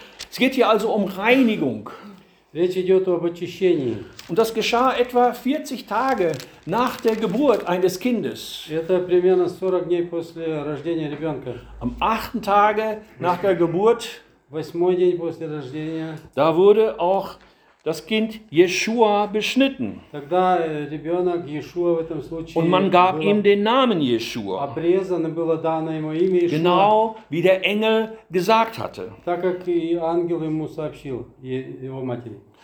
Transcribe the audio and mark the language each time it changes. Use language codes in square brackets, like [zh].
[de] Es geht hier also um Reinigung. [ru] Речь идет об очищении. [de] Und das geschah etwa 40 Tage nach der Geburt eines Kindes. [ru] Это примерно 40 дней после рождения ребенка. [de] Am 8. Tage nach der Geburt. [ru] 8. день после рождения. [de] Da wurde auch das Kind Jeschua beschnitten. [ru] Тогда ребенок Иешуа в этом случае. [de] Und man gab ihm den Namen Jeschua. [ru] Обрезано было дано ему имя Иешуа. [de] Genau wie der Engel gesagt hatte. [ru] Так как и ангел ему сообщил его матери.